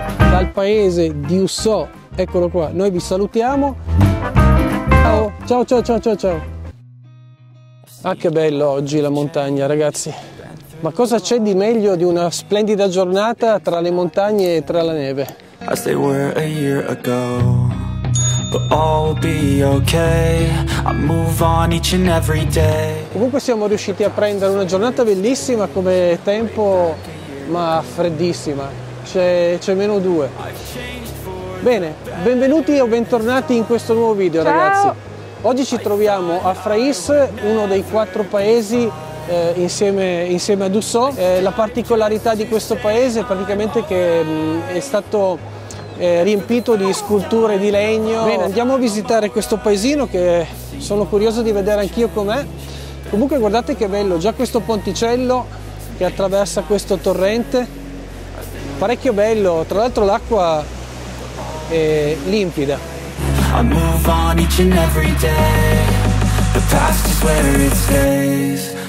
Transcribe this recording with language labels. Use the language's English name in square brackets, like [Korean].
[Italian] Dal paese di Dussò, eccolo qua, noi vi salutiamo. Ciao, ciao, ciao, ciao, ciao, ciao. Ah, che bello oggi la montagna, ragazzi. Ma cosa c'è di meglio di una splendida giornata tra le montagne e tra la neve? [English] I stay where a year ago, but all be okay. I move on each and every day. [Italian] Comunque siamo riusciti a prendere una giornata bellissima come tempo, ma freddissima. C'è meno due. Bene, benvenuti o bentornati in questo nuovo video. Ciao, ragazzi. Oggi ci troviamo a Frais, uno dei quattro paesi insieme a Dussò. La particolarità di questo paese è praticamente che è stato riempito di sculture di legno. Bene, andiamo a visitare questo paesino che sono curioso di vedere anch'io com'è. Comunque guardate che bello, già questo ponticello che attraversa questo torrente. Parecchio bello, tra l'altro l'acqua è limpida. [English] I move on each and every day. The past is where it stays.